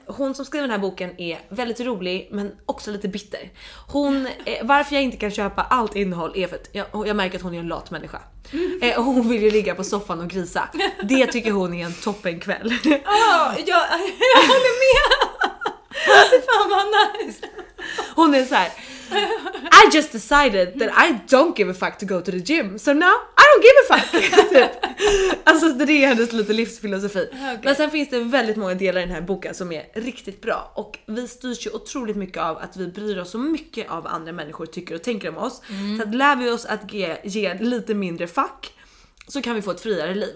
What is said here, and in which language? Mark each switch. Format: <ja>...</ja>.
<sv>Hon som skriver den här boken är väldigt rolig men också lite bitter. Hon, varför jag inte kan köpa allt innehåll är för att jag märker att hon är en lat människa. Hon vill ju ligga på soffan och grisa. Det tycker hon är en toppen kväll. Jag håller med. Fan vad nice. Hon är så här,</sv> <en>I just decided that I don't give a fuck to go to the gym. So now I don't give a fuck.</en> <sv>Alltså det är hennes lite livsfilosofi. Okay. Men sen finns det väldigt många delar i den här boken som är riktigt bra. Och vi styrs ju otroligt mycket av att vi bryr oss så mycket av vad andra människor tycker och tänker om oss. Mm. Så att lär vi oss att ge lite mindre fuck, så kan vi få ett friare liv.</sv>